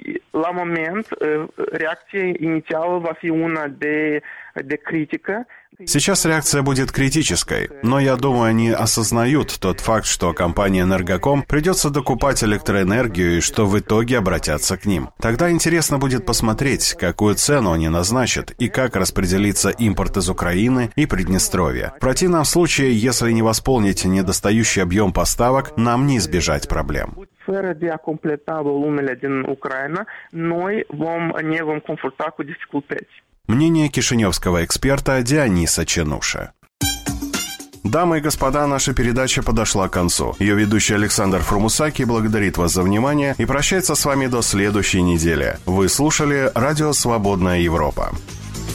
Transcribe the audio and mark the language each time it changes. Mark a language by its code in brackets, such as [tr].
[ro] La moment, reacția inițială va fi una de critică. [ru] Сейчас реакция будет критической, но я думаю, они осознают тот факт, что компании «Энергоком» придется докупать электроэнергию и что в итоге обратятся к ним. Тогда интересно будет посмотреть, какую цену они назначат и как распределится импорт из Украины и Приднестровья. В противном случае, если не восполнить недостающий объем поставок, нам не избежать проблем. [ro] Fără de a completa volumele din Ucraina, noi не vom confrunta cu dificultăți. [ru] Мнение кишиневского эксперта Диониса Ченуша. Дамы и господа, наша передача подошла к концу. Ее ведущий Александр Фрумусаки благодарит вас за внимание и прощается с вами до следующей недели. Вы слушали Радио «Свободная Европа».